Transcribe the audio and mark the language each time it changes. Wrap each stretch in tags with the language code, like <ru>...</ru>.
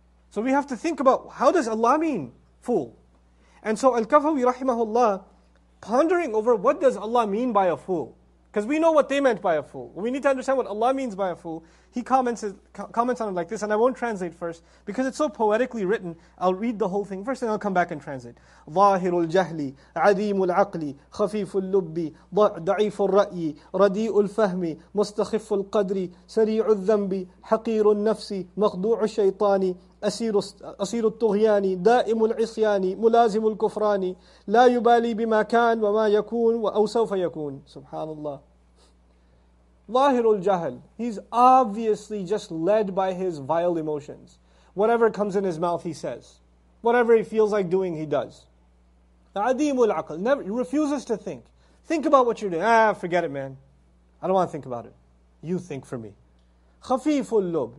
<en>So we have to think about, how does Allah mean fool? And so Al-Kafawi rahimahullah, pondering over what does Allah mean by a fool? Because we know what they meant by a fool. We need to understand what Allah means by a fool. He comments on it like this, and I won't translate first, because it's so poetically written. I'll read the whole thing first, and I'll come back and translate.</en> <ar>ظَاهِرُ الْجَهْلِ عَذِيمُ الْعَقْلِ خَفِيفُ اللُّبِّ ضَعِيفُ الرَّأْيِ رَدِيءُ الْفَهْمِ مُسْتَخِفُ الْقَدْرِ سَرِيعُ الذَّنْبِ حَقِيرُ النَّفْسِ مَخْدُوعُ الشَّيْطَانِ أسير الطغيان دائم العصيان ملازم الكفران لا يبالي بما كان وما يكون أو سوف يكون. سبحان الله. Zahirul Jahl.</ar> <en>He's obviously just led by his vile emotions. Whatever comes in his mouth, he says. Whatever he feels like doing, he does.</en> <ar>Adimul Aql.</ar> <en>Never, he refuses to think. Think about what you're doing. Ah, forget it, man. I don't want to think about it. You think for me.</en> <ar>Khafiful Lub.</ar>